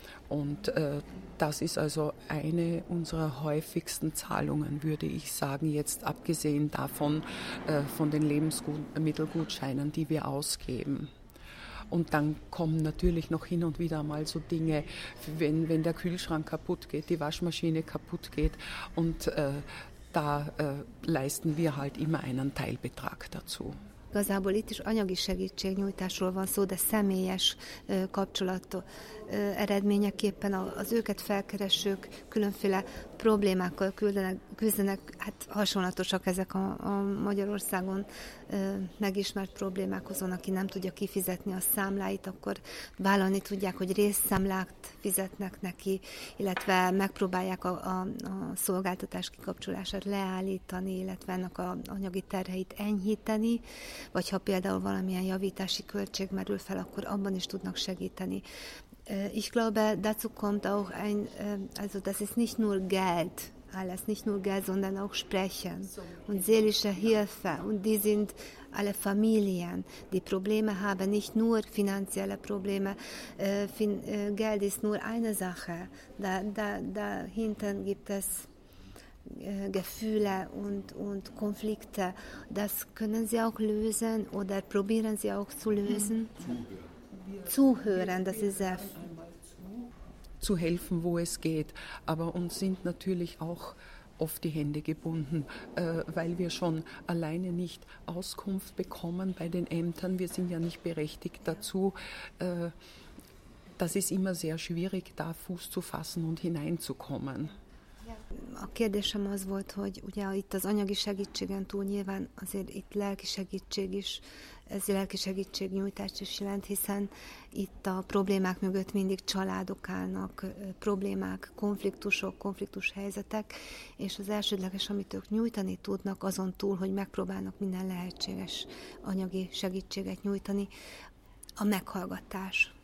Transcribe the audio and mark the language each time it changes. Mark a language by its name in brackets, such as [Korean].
[German] Und das ist also eine unserer häufigsten Zahlungen, würde ich sagen, jetzt abgesehen davon, von den Lebensmittelgutscheinen, die wir ausgeben. Und dann kommen natürlich noch hin und wieder mal so Dinge, wenn der Kühlschrank kaputt geht, die Waschmaschine kaputt geht, und da leisten wir halt immer einen Teilbetrag dazu. [Hungarian] Igazából itt is anyagi segítségnyújtásról van szó, de személyes kapcsolat eredményeképpen az őket felkeresők különféle problémákkal küzdenek, hát hasonlatosak ezek a Magyarországon megismert problémákhoz. Van, aki nem tudja kifizetni a számláit, akkor vállalni tudják, hogy részszámlát fizetnek neki, illetve megpróbálják a szolgáltatás kikapcsolását leállítani, illetve ennek a anyagi terheit enyhíteni, vagy ha például valamilyen javítási költség merül fel, akkor abban is tudnak segíteni. [German] Ich glaube, dazu kommt auch ein, also das ist nicht nur Geld, alles, nicht nur Geld, sondern auch Sprechen und seelische Hilfe. Und die sind alle Familien, die Probleme haben, nicht nur finanzielle Probleme. Geld ist nur eine Sache, da hinten gibt es Gefühle und Konflikte. Das können Sie auch lösen oder probieren Sie auch zu lösen? Zuhören, das ist sehr zu helfen, wo es geht. Aber uns sind natürlich auch oft die Hände gebunden, weil wir schon alleine nicht Auskunft bekommen bei den Ämtern. Wir sind ja nicht berechtigt dazu. Das ist immer sehr schwierig, da Fuß zu fassen und hineinzukommen. [Hungarian] A kérdésem az volt, hogy ugye itt az anyagi segítségen túl nyilván azért itt lelki segítség is, ez lelki segítségnyújtást is jelent, hiszen itt a problémák mögött mindig családok állnak, problémák, konfliktusok, konfliktus helyzetek, és az elsődleges, amit ők nyújtani tudnak, azon túl, hogy megpróbálnak minden lehetséges anyagi segítséget nyújtani, a meghallgatás.